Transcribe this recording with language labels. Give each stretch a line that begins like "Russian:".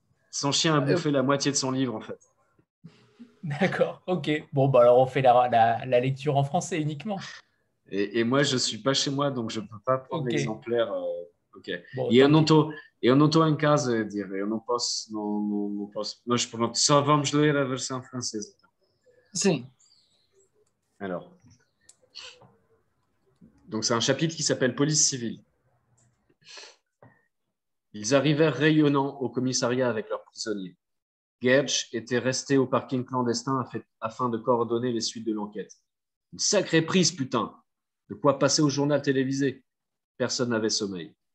French: Son chien a bouffé la moitié de son livre, en fait. D'accord, ok. Bon, bah alors on fait la lecture en français uniquement. Et moi, je ne suis pas chez moi, donc je ne peux pas prendre l'exemplaire. Ok.
Portuguese: Eu não tô em casa, eu diria. Eu não posso, não posso. Mas pronto, só vamos ler a versão francesa. Sim.
French: Alors. Donc c'est un chapitre qui s'appelle Police civile. Ils arrivèrent rayonnants au commissariat avec leurs prisonniers. Gerch était resté au parking clandestin afin de coordonner les suites de l'enquête. Une sacrée prise, putain! De quoi passer au journal télévisé? Personne n'avait sommeil.